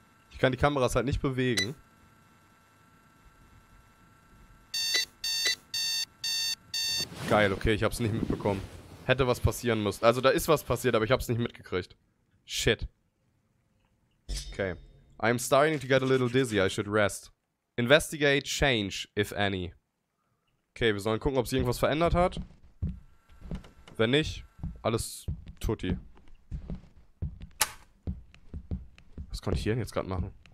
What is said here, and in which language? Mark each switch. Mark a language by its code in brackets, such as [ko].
[de] Ich kann die Kameras halt nicht bewegen. Geil, okay, ich hab's nicht mitbekommen. Hätte was passieren müssen. Also da ist was passiert, aber ich hab's nicht mitgekriegt. [en] Shit. Okay. I'm starting to get a little dizzy, I should rest. Investigate change, if any. [de] Okay, wir sollen gucken, ob sie irgendwas verändert hat. Wenn nicht, alles tutti. Was konnte ich hier denn jetzt gerade machen?